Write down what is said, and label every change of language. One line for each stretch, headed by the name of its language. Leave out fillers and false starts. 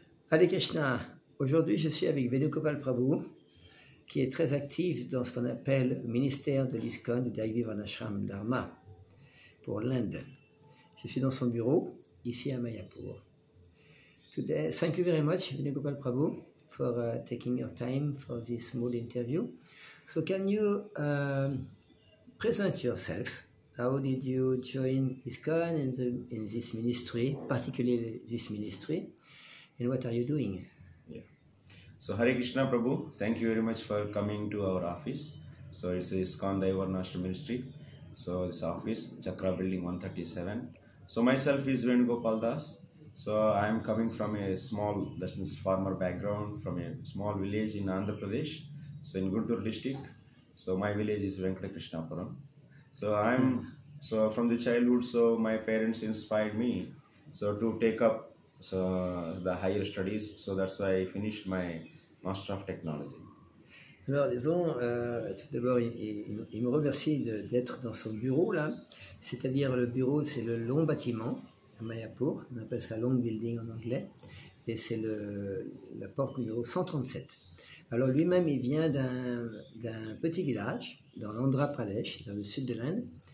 French: Hare Krishna, aujourd'hui je suis avec Venugopal Prabhu, qui est très actif dans ce qu'on appelle le ministère de l'ISKCON, de Daivi Varnashram Dharma, pour l'Inde. Je suis dans son bureau, ici à Mayapur.
English: Today, thank you very much, Venugopal Prabhu, for taking your time for this small interview. So can you present yourself? How did you join ISKCON and in this ministry, particularly this ministry? And what are you doing? Yeah. So Hare Krishna Prabhu, thank you very much for coming to our office. So it's the ISKCON Daivi Varnashram Ministry. So this office, Chakra Building 137. So myself is Venugopal Das. So I am coming from a small, that means farmer background, from a small village in Andhra Pradesh. So in Guntur district. So my village is Venkata Krishnapuram. So so from the childhood, so my parents inspired me so to take up so the higher studies, so that's why I finished my Master of Technology.
French: Alors disons, tout d'abord il me remercie d'être dans son bureau là, c'est-à-dire le bureau c'est le long bâtiment à Mayapur, on appelle ça long building en anglais, et c'est la porte numéro 137. Alors lui-même il vient d'un petit village dans l'Andhra Pradesh, dans le sud de l'Inde.